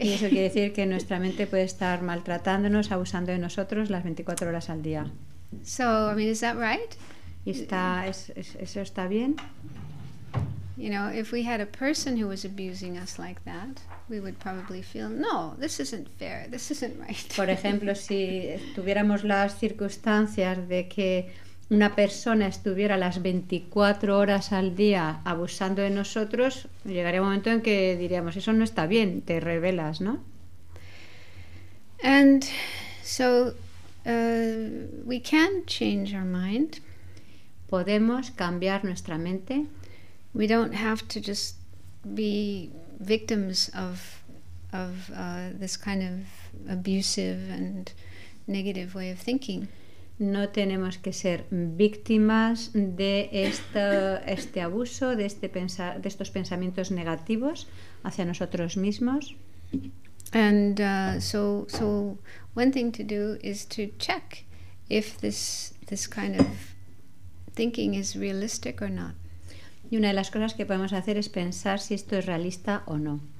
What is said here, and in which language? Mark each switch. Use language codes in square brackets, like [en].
[es] Y eso quiere decir que nuestra mente puede estar maltratándonos, abusando de nosotros las 24 horas al día. [en] So, I mean, is that right? [es] ¿Y eso está bien? [en] You know, if we had a person who was abusing us like that, we would probably feel, no, this isn't fair, this isn't right. [es] Por ejemplo, si tuviéramos las circunstancias de que una persona estuviera las 24 horas al día abusando de nosotros, llegaría un momento en que diríamos, eso no está bien, te rebelas, ¿no? [en] And so we can change our mind. [es] Podemos cambiar nuestra mente. [en] We don't have to just be victims of this kind of abusive and negative way of thinking. [es] No tenemos que ser víctimas de este abuso, de estos pensamientos negativos hacia nosotros mismos. [en] And so one thing to do is to check if this kind of thinking is realistic or not. [es] Y una de las cosas que podemos hacer es pensar si esto es realista o no.